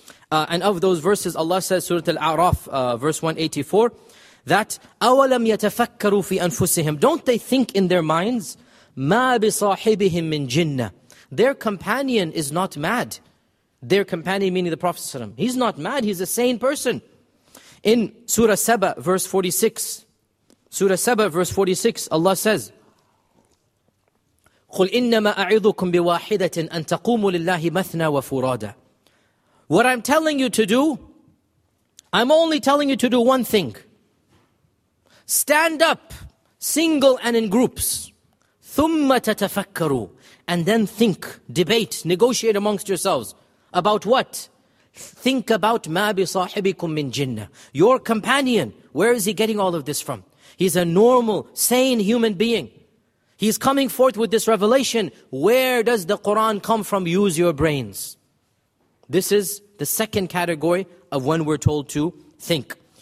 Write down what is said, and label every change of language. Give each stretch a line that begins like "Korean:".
English: And of those verses, Allah says, Surah Al-A'raf, verse 184, that,
Arabic: أَوَلَمْ يَتَفَكَّرُوا فِي أَنفُسِهِمْ.
English: Don't they think in their minds,
Arabic: مَا بِصَاحِبِهِمْ مِنْ جِنَّةِ.
English: Their companion is not mad. Their companion, meaning the Prophet ﷺ. He's not mad, he's a sane person. In Surah Saba, verse 46, Allah says,
Arabic: قُلْ إِنَّمَا أَعِذُكُمْ بِوَاحِدَةٍ أَن تَقُومُوا لِلَّهِ مَثْنَى وَفُرَادًا.
English: What I'm telling you to do, I'm only telling you to do one thing. Stand up, single and in groups.
Arabic: ثُمَّ تَتَفَكَّرُوا.
English: And then think, debate, negotiate amongst yourselves. About what? Think about
Arabic: مَا بِصَاحِبِكُمْ مِنْ جِنَّةِ.
English: Your companion, where is he getting all of this from? He's a normal, sane human being. He's coming forth with this revelation. Where does the Quran come from? Use your brains. This is the second category of when we're told to think.